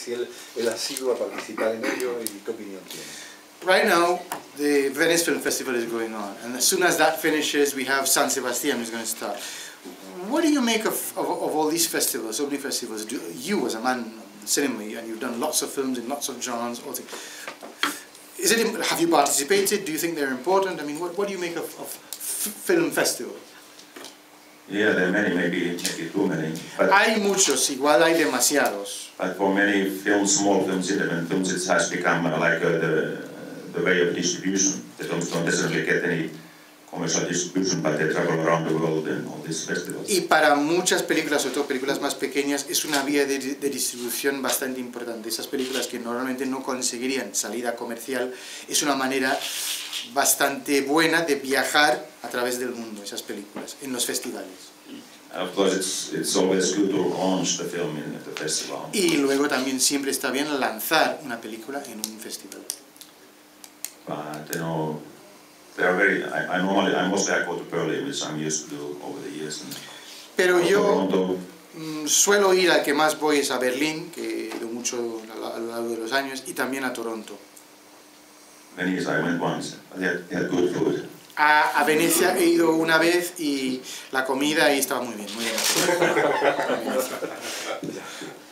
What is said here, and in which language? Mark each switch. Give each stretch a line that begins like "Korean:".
Spanish: Si él ha sido a participar en ello, ¿y qué opinión tiene?
English: Right now, the Venice Film Festival is going on, and as soon as that finishes, we have San Sebastian is going to start. What do you make of all these festivals, so many festivals? Do you, as a man of the cinema, and you've done lots of films in lots of genres, all things, is it, have you participated? Do you think they're important? I mean, what do you make of film festivals? Yeah, there are many, maybe too many. But
Spanish: hay muchos, igual hay demasiados.
English: But for many films, small films, independent films, it has become like the way of distribution. The films don't necessarily get any commercial distribution, but they travel around the world in all these festivals.
Spanish: Y para muchas películas, sobre todo películas más pequeñas, es una vía de distribución bastante importante. Esas películas que normalmente no conseguirían salida comercial, es una manera bastante buena de viajar a través del mundo, esas películas, en los festivales.
English: Of course, it's always good to launch the film in the festival.
Spanish: Y luego también siempre está bien lanzar una película en un festival.
English: But, you know, they are very, I mostly go to Berlin, which I'm used to do over the years. And
Spanish: pero yo suelo ir, al que más voy es a Berlín, que he ido mucho a lo largo de los años, y también a Toronto.
English: Venice, I went once. They had good food.
Spanish: A Venecia he ido una vez y la comida ahí estaba muy bien, muy bien.